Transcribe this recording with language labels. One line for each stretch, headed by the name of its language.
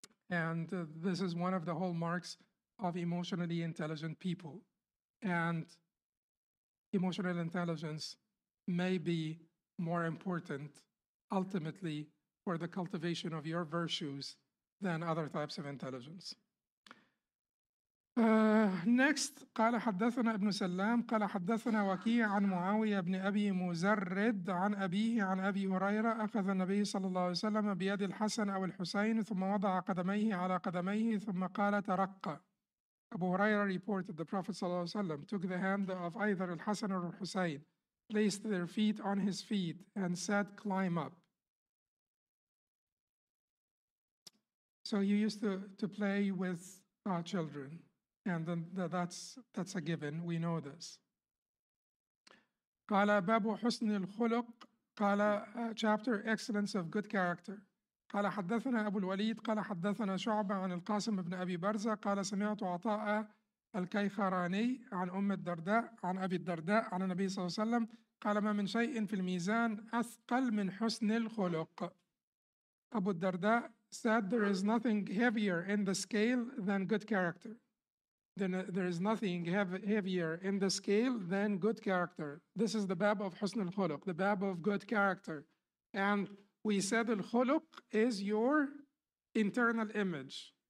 English: And this is one of the hallmarks of emotionally intelligent people. And emotional intelligence may be more important, ultimately, for the cultivation of your virtues than other types of intelligence. Next,
Arabic: قال حدثنا ابن سلام قال حدثنا وكيع عن معاوية بن أبي مزرد عن أبيه عن أبي هريرة أخذ النبي صلى الله عليه وسلم بيد الحسن أو الحسين ثم وضع قدميه على قدميه ثم قال ترقى.
English: Abu Huraira reported the Prophet ﷺ took the hand of either al-Hasan or al-Husayn, placed their feet on his feet, and said, climb up. So you used to play with our children, and that's a given. We know this.
Arabic: قَالَ بَابُ حُسْنِ الْخُلُقِ قَالَ
English: chapter, excellence of good character.
Arabic: قال حدثنا أبو الوليد قال حدثنا شعبة عن القاسم بن أبي برزة قال سمعت عطاء الكيخراني عن أم الدرداء عن أبي الدرداء عن النبي صلى الله عليه وسلم قال ما من شيء في الميزان أثقل من حسن الخلق.
English: أبو الدرداء said there is nothing heavier in the scale than good character. There is nothing heavier in the scale than good character. This is the bab of حسن الخلق, the bab of good character. And we said al-khuluq is your internal image.